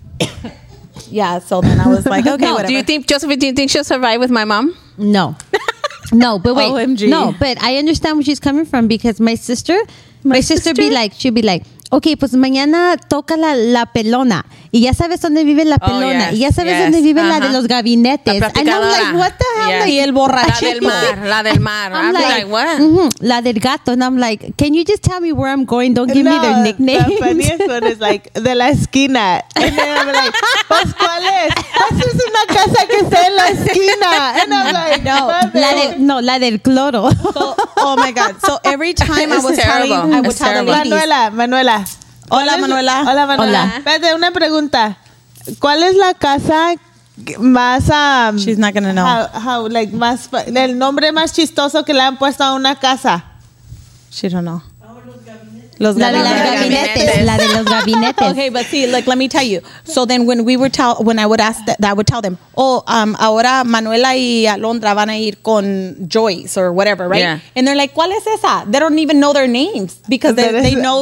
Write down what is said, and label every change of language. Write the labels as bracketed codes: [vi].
[en] It. Yeah, so then I was like, okay, whatever. Do you think, Josephine, do you think she'll survive with my mom? No. No, but wait. OMG. No, but I understand where she's coming from because my sister be like, she'd be like, "Okay, [es] pues mañana toca la pelona. Y ya sabes dónde vive la pelona. y ya sabes dónde vive la de los gabinetes." [en] And I'm like, what the hell? Yes. [es] Y el borracho. La del mar. [en] I'm like, what? [es] Mm-hmm. La del gato. [en] And I'm like, can you just tell me where I'm going? Don't give me their nicknames. The funniest one is like, [es] de la esquina. [en] And then I'm like, [es] pues, ¿cuál es? Pues es una casa que está en la esquina. [en] And I'm like, no. [es] La del cloro. [en] So, oh, my God. So every time I would tell [es] Manuela, Manuela. Hola, Manuela. Espérate, una pregunta. ¿Cuál es la casa más... [en] She's not going to know. [es] Más, el nombre más chistoso que le han puesto a una casa. [en] She don't know. [es] La de los gabinetes. [en] Okay, but see, like, let me tell you. So then when I would tell them, [es] ahora Manuela y Alondra van a ir con Joyce [en] or whatever, right? Yeah. And they're like, [es] ¿cuál es esa? [en] They don't even know their names because they know